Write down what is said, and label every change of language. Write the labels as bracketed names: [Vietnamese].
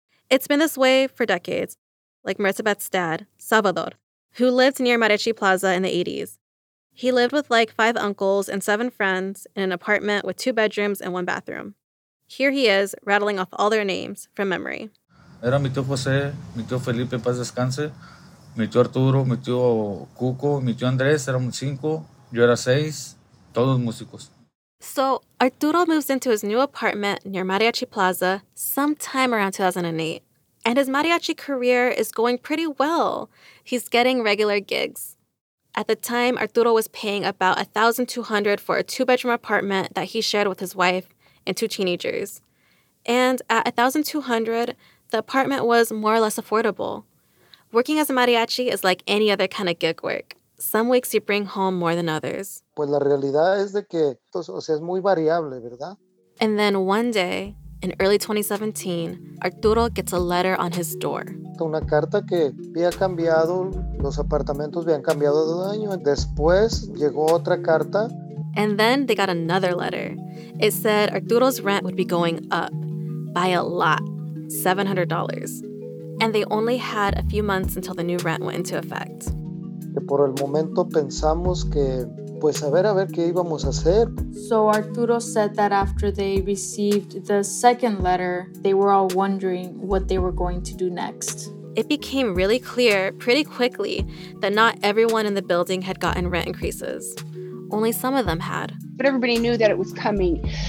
[English] It's been this way for decades, like Mercedes' dad, Salvador, who lived near Mariachi Plaza in the 80s. He lived with like five uncles and seven friends in an apartment with two bedrooms and one bathroom. Here he is, rattling off all their names from memory. [Spanish] Era mi tío José, mi tío Felipe, paz descanse, mi tío Arturo, mi tío Cuco, mi tío Andrés, éramos cinco, yo era seis, todos músicos. [English] So Arturo moves into his new apartment near Mariachi Plaza sometime around 2008. And his mariachi career is going pretty well. He's getting regular gigs. At the time, Arturo was paying about $1,200 for a two-bedroom apartment that he shared with his wife and two teenagers. And at $1,200, the apartment was more or less affordable. Working as a mariachi is like any other kind of gig work. Some weeks you bring home more than others. [Spanish] Pues la realidad es de que, o sea, es muy variable, ¿verdad? [English] And then one day, in early 2017, Arturo gets a letter on his door. [Spanish] Una carta que había cambiado, los apartamentos habían cambiado de dueño. Después llegó otra carta. [English] And then they got another letter. It said Arturo's rent would be going up by a lot. $700. And they only had a few months until the new rent went into effect. [Spanish] Por el momento pensamos que, pues a ver qué íbamos a hacer. [English] So Arturo said that after they received the second letter, they were all wondering what they were going to do next. It became really clear pretty quickly that not everyone in the building had gotten rent increases. Only some of them had. But everybody knew that it was coming.